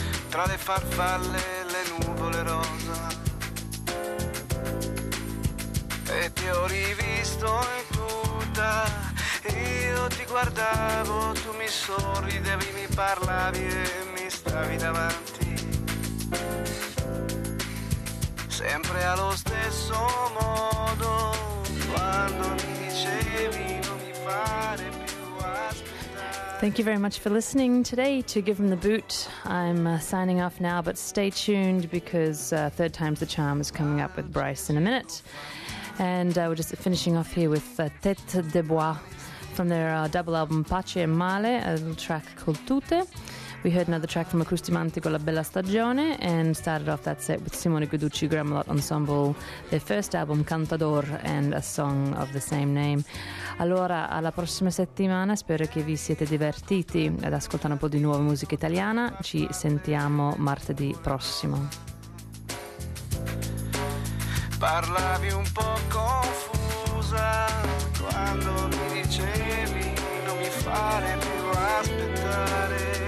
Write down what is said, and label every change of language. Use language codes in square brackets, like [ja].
[it] Tra le farfalle e le nuvole rosa, e ti ho rivisto in tuta, io ti guardavo, tu mi sorridevi, mi parlavi e mi stavi davanti, sempre allo stesso modo, quando mi dicevi non mi fare più. [en] Thank you very much for listening today to Give Him the Boot. I'm signing off now, but stay tuned because Third Time's the Charm is coming up with Bryce in a minute. And we're just finishing off here with Tête de Bois from their double album Pace e Male, a little track called Tutte. We heard another track from Acrusti Manti called La Bella Stagione and started off that set with Simone Guiducci, Gramelot Ensemble, their first album Cantador and a song of the same name. [it] Allora, alla prossima settimana, spero che vi siete divertiti ad ascoltare un po' di nuova musica italiana. Ci sentiamo martedì prossimo. Parlavi un po' confusa quando mi dicevi non mi fare più aspettare.